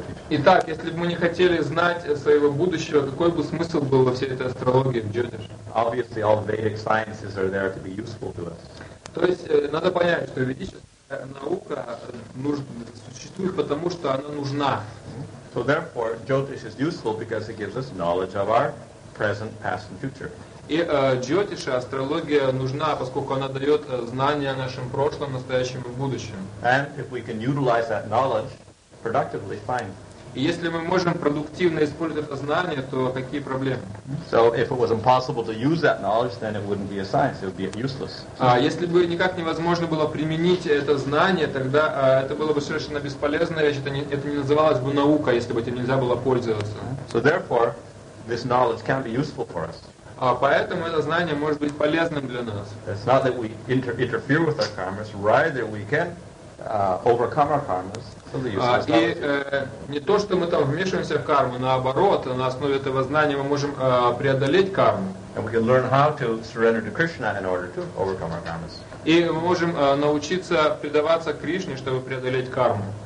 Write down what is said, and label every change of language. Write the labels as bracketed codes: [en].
[ru] Итак, если бы мы не хотели знать своего будущего, какой бы смысл был во всей этой астрологии в Джотиш? [en] Obviously, all Vedic sciences are there to be useful to us. [ru] То есть надо понять, что ведическая наука существует потому, что она нужна. [en] So therefore, Jyotish is useful because it gives us knowledge of our present, past, and future. [ru] И Джотиша, астрология нужна, поскольку она дает знания о нашем прошлом, настоящем и будущем. [en] And if we can utilize that knowledge productively, fine. [ru] Если мы можем продуктивно использовать это знание, то какие проблемы? [en] So if it was impossible to use that knowledge, then it wouldn't be a science, it would be useless. [ru] А если бы никак невозможно было применить это знание, тогда это было бы совершенно бесполезная вещь, это не называлось бы наука, если бы этим нельзя было пользоваться. [en] So therefore, this knowledge can be useful for us. [ru] А поэтому это знание может быть полезным для нас. [en] It's not that we interfere with our karmas, rather we can overcome our karmas. [ru] И не то, что мы там вмешиваемся в карму, наоборот, на основе этого знания мы можем преодолеть карму. [en] And we can learn how to surrender to Krishna in order to overcome our karmas. [ru] И мы можем научиться предаваться Кришне, чтобы преодолеть карму.